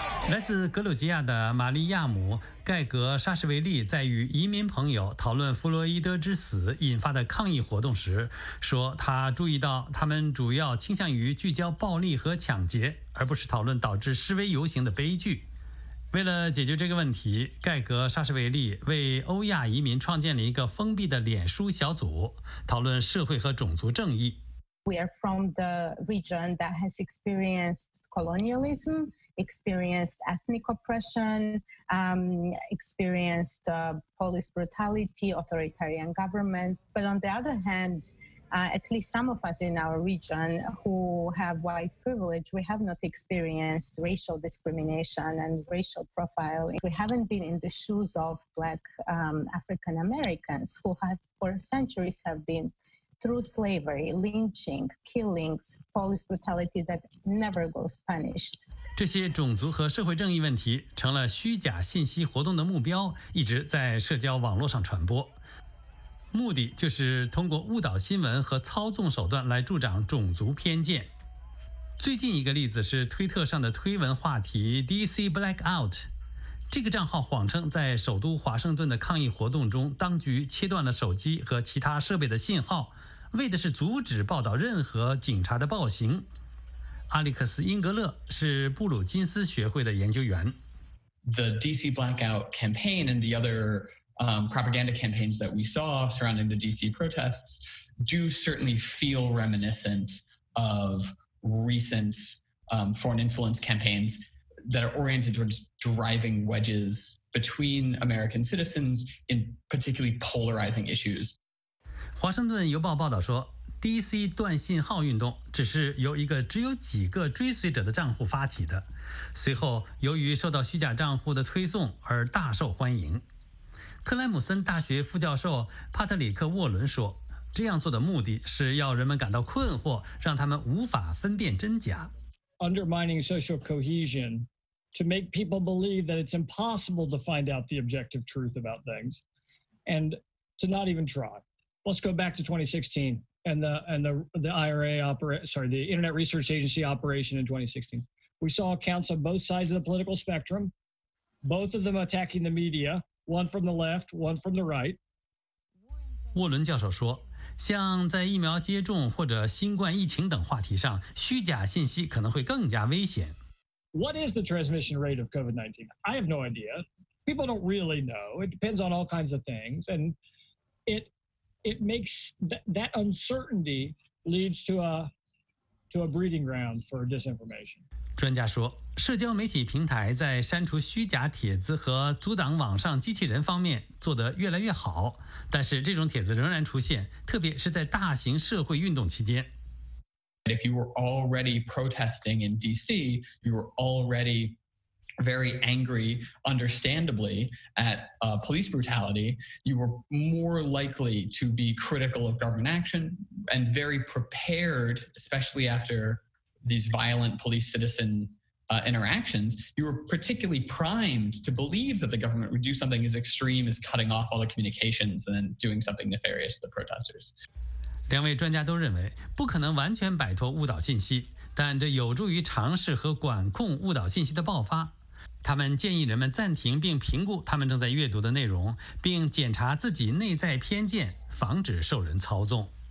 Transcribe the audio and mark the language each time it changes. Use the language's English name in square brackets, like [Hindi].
[Chinese] 来自格鲁吉亚的玛利亚姆·盖格·沙什维利在与移民朋友讨论弗洛伊德之死引发的抗议活动时说，他注意到他们主要倾向于聚焦暴力和抢劫，而不是讨论导致示威游行的悲剧。为了解决这个问题，盖格·沙什维利为欧亚移民创建了一个封闭的脸书小组，讨论社会和种族正义。 [English] We are from the region that has experienced colonialism, experienced ethnic oppression, experienced police brutality, authoritarian government. But on the other hand, at least some of us in our region who have white privilege, we have not experienced racial discrimination and racial profiling. We haven't been in the shoes of black African Americans who have for centuries have been through slavery, lynching, killings, police brutality that never goes punished. [Chinese] 这些种族和社会正义问题成了虚假信息活动的目标，一直在社交网络上传播。目的就是通过误导新闻和操纵手段来助长种族偏见。最近一个例子是推特上的推文话题 DC Blackout。这个账号谎称在首都华盛顿的抗议活动中，当局切断了手机和其他设备的信号，为的是阻止报道任何警察的暴行。阿里克斯·英格勒是布鲁金斯学会的研究员。 [English] The DC Blackout campaign and the other propaganda campaigns that we saw surrounding the DC protests do certainly feel reminiscent of recent foreign influence campaignsthat are oriented towards driving wedges between American citizens in particularly polarizing issues. [Chinese] 华盛顿邮报报道说， DC 断信号运动只是由一个只有几个追随者的账户发起的，随后由于受到虚假账户的推送而大受欢迎。克莱姆森大学副教授帕特里克·沃伦说，这样做的目的是要人们感到困惑，让他们无法分辨真假。 [English] Undermining social cohesion to make people believe that it's impossible to find out the objective truth about things and to not even try. Let's go back to 2016 and the Internet Research Agency operation in 2016. We saw accounts on both sides of the political spectrum, both of them attacking the media, one from the left, one from the right. [Chinese] 沃伦教授说，像在疫苗接种或者新冠疫情等话题上，虚假信息可能会更加危险。 [English] What is the transmission rate of COVID-19? I have no idea. People don't really know. It depends on all kinds of things, and it makes that uncertainty leads to a to a breeding ground for disinformation. [Chinese] 专家说，社交媒体平台在删除虚假帖子和阻挡网上机器人方面做得越来越好，但是这种帖子仍然出现，特别是在大型社会运动期间。 [English] If you were already protesting in DC, you were already very angry, understandably, at police brutality, you were more likely to be critical of government action and very prepared, especially after these violent police-citizen interactions, you were particularly primed to believe that the government would do something as extreme as cutting off all the communications and then doing something nefarious to the protesters. [Chinese] 两位专家都认为，不可能完全摆脱误导信息，但这有助于尝试和管控误导信息的爆发。他们建议人们暂停并评估他们正在阅读的内容，并检查自己内在偏见，防止受人操纵。